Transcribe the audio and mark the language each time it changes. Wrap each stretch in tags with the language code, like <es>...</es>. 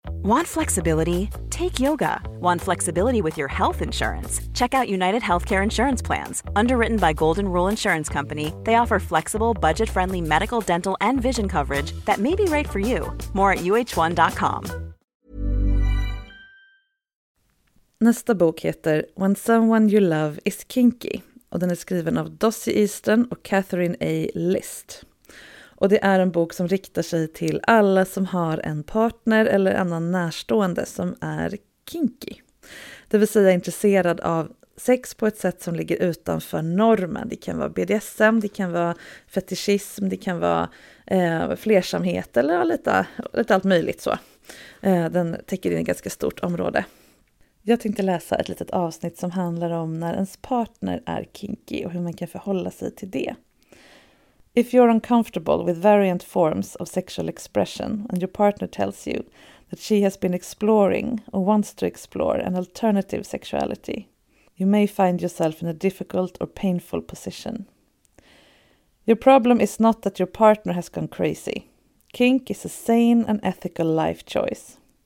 <en>Want flexibility? Take yoga. Want flexibility with your health insurance? Check out United Healthcare Insurance Plans. Underwritten by Golden Rule Insurance Company, they offer flexible, budget-friendly medical, dental, and vision coverage that may be right for you. More at uh1.com.</en> <sv>Nästa bok heter When Someone You Love Is Kinky och den är skriven av Dossie Easton och Catherine A. List. Och det är en bok som riktar sig till alla som har en partner eller annan närstående som är kinky. Det vill säga intresserad av sex på ett sätt som ligger utanför normen. Det kan vara BDSM, det kan vara fetischism, det kan vara flersamhet eller lite allt möjligt så. Den täcker in ett ganska stort område. Jag tänkte läsa ett litet avsnitt som handlar om när ens partner är kinky och hur man kan förhålla sig till det.</sv> <en>If you're uncomfortable with variant forms of sexual expression and your partner tells you that she has been exploring or wants to explore an alternative sexuality, you may find yourself in a difficult or painful position. Your problem is not that your partner has gone crazy. Kink is a sane and ethical life choice.</en>